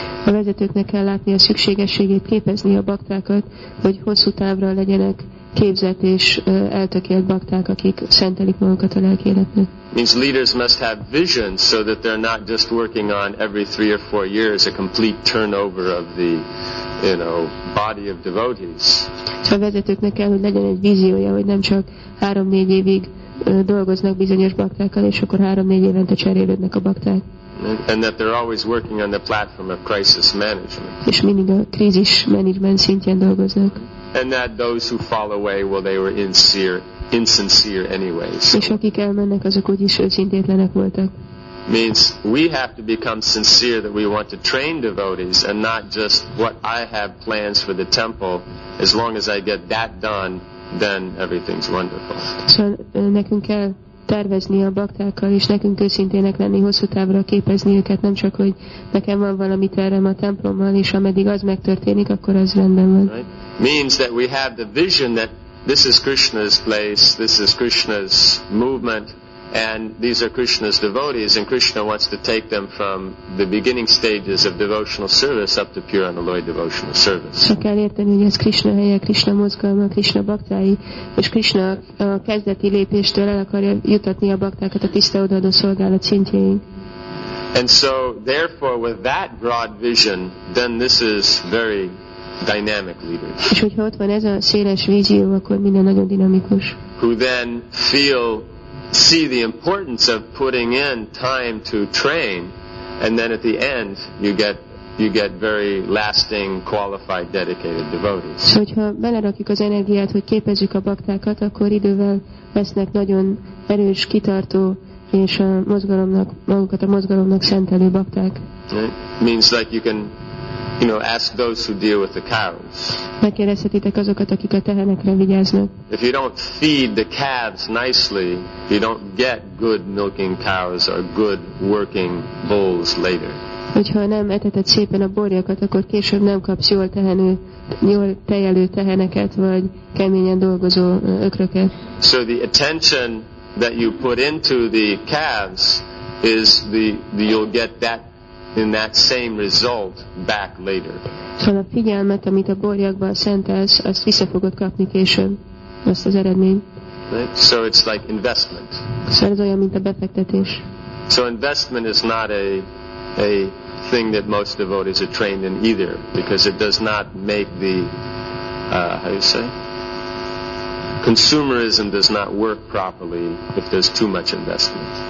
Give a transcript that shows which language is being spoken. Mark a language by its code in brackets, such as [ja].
[hu] A vezetőknek kell látni a szükségességét képezni a baktákat, hogy hosszú távra legyenek képzett és eltökélt bakták, akik szentelik magukat a lelki életnek. [en] Means leaders must have vision so that they're not just working on every 3 or 4 years a complete turnover of the, you know, body of devotees. [hu] A vezetőknek kell, hogy legyen egy víziója, hogy nem csak 3-4 évig dolgoznak bizonyos baktákkal, és akkor 3-4 évente cserélődnek a bakták. [en] And that they're always working on the platform of crisis management. [hu] És mindig a krízis menedzsment szintjén dolgoznak. [en] And that those who fall away, well, they were insincere anyways. [hu] És akik elmennek, azok úgyis őszintétlenek voltak. [en] Means we have to become sincere that we want to train devotees and not just what I have plans for the temple. As long as I get that done, then everything's wonderful. [hu] Szóval nekünk kell tervezni a baktákkal, és nekünk őszintének lenni, hosszú távra képezni őket, nem csak, hogy nekem van valami tervem a templommal, és ameddig az megtörténik, akkor az rendben van. [en] Right? Means that we have the vision that this is Krishna's place, this is Krishna's movement, and these are Krishna's devotees, and Krishna wants to take them from the beginning stages of devotional service up to pure unalloyed devotional service. [hu] Szóval kell érteni, hogy ez Krishna helye, Krishna mozgalma, Krishna baktái, és Krishna a kezdeti lépéstől el akarja jutatni a baktákat a tiszta odaadó szolgálat szintjén. [en] And so, therefore, with that broad vision, then this is very dynamic leaders. [hu] És hogyha ott van ez a széles vízió, akkor minden nagyon dinamikus. [en] Who then feel, see the importance of putting in time to train, and then at the end you get very lasting, qualified, dedicated devotees. [hu] So, hogyha belerakjuk az energiát, hogy képezzük a baktákat, akkor idővel lesznek nagyon erős, kitartó és a mozgalomnak, magukat a mozgalomnak szentelő bakták. [en] Right? Means like you can, you know, ask those who deal with the cows. [hu] Megkérdezhetitek azokat, akik a tehenekre vigyáznak. [en] If you don't feed the calves nicely, you don't get good milking cows or good working bulls later. [hu] Hogyha nem eteted szépen a borjakat, akkor később nem kapsz jól tejelő teheneket, vagy keményen dolgozó ökröket. [en] So the attention that you put into the calves is the you'll get that in that same result back later. [hu] Ha a figyelmet, amit a borjakban szentelsz, azt vissza fogod kapni később, azt az eredményt. [en] Right? So it's like investment. [hu] Szóval ez olyan, mint a befektetés. [en] So investment is not a thing that most devotees are trained in either, because it does not make the how do you say? Consumerism does not work properly if there's too much investment.